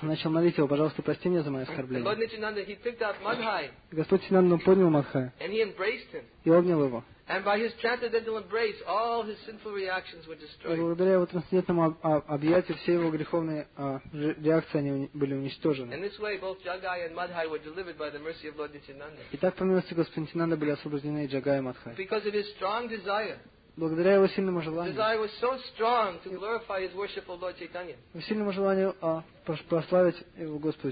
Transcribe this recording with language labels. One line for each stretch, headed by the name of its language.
Russian: Он начал молить его, пожалуйста, прости меня за мои оскорбления.
English: Lord Nityananda, he picked up Madhai.
Russian: Господь Нитянанда поднял Мадхая.
English: And he embraced him.
Russian: И обнял его.
English: And by his transcendental embrace, all his sinful reactions were destroyed.
Russian: Благодаря его трансцендентному объятию все его греховные реакции они были уничтожены.
English: In this way, both Jagai and Madhai were delivered by the mercy of Lord Nityananda.
Russian: И так по милости Господа Нитянанды были освобождены Джагай и Мадхай.
English: Because of his strong desire.
Russian: Благодаря его сильному желанию. Его сильному желанию прославить его Господа